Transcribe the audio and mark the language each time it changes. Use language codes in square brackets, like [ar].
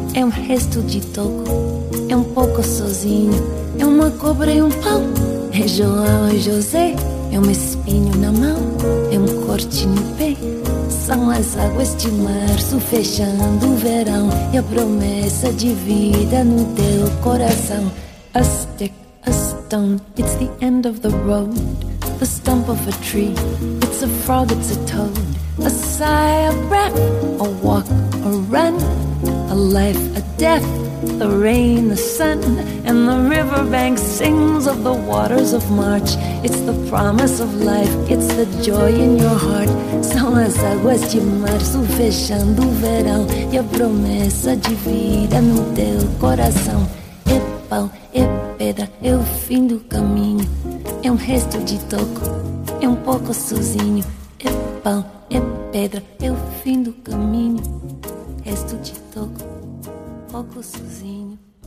[pt] Resto de toco, é pouco sozinho, é cobra e pão, é João e José, é espinho na mão, é corte no pé, são as águas de março fechando o verão, e a promessa de vida no teu coração. [en] A stick, a stone, it's the end of the road, the stump of a tree, it's a frog, it's a toad, a sigh, a breath, a walk, a run, a life, a death, the rain, the sun, and the riverbank sings of the waters of March. It's the promise of life, it's the joy in your heart. [pt] São as águas de março fechando o verão, e a promessa de vida no teu coração. É pau, é pedra, é o fim do caminho, é resto de toco, é pouco sozinho. É pau, é pedra, é o fim do caminho, resto de toco, pouco sozinho.